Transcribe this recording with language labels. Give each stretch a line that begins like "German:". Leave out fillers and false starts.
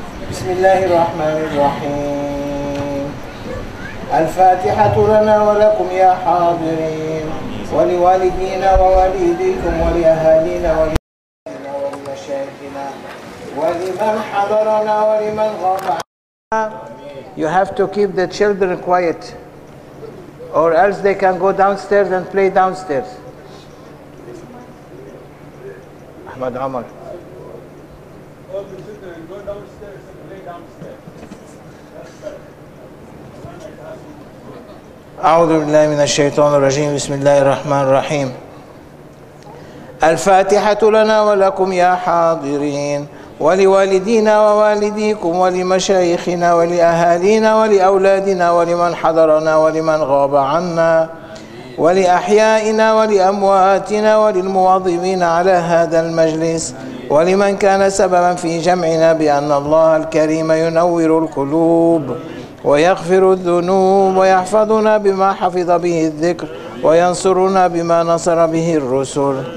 Arabic: بسم الله الرحمن الرحيم الفاتحة لنا ولكم يا حاضرين ولوالدينا ووالديكم ولأهالينا ولمشايخنا ولمن حضرنا ولمن غاب
English: You have to keep the children quiet, or else they can go downstairs and play downstairs. Ahmad Omar. All the children go downstairs and play downstairs.
Arabic: أعوذ بالله من الشيطان الرجيم بسم الله الرحمن الرحيم. الفاتحة لنا ولكم يا حاضرين. ولوالدينا ووالديكم ولمشايخنا ولأهالينا ولأولادنا ولمن حضرنا ولمن غاب عنا ولأحيائنا ولأمواتنا وللمواظبين على هذا المجلس ولمن كان سببا في جمعنا بأن الله الكريم ينور القلوب ويغفر الذنوب ويحفظنا بما حفظ به الذكر وينصرنا بما نصر به الرسل